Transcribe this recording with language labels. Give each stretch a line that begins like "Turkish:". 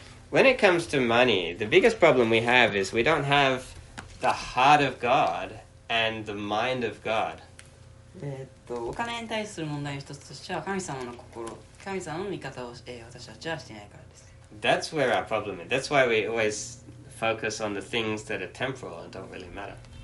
English: When it comes to money, the biggest problem we have is we don't have the heart of God and the mind of God.
Japanese: お金に対する問題の一つとしては神様の心、神様の見方を、私たちはしていないからです。
English: That's where our problem is. That's why we always focus on the things that are temporal and don't really matter.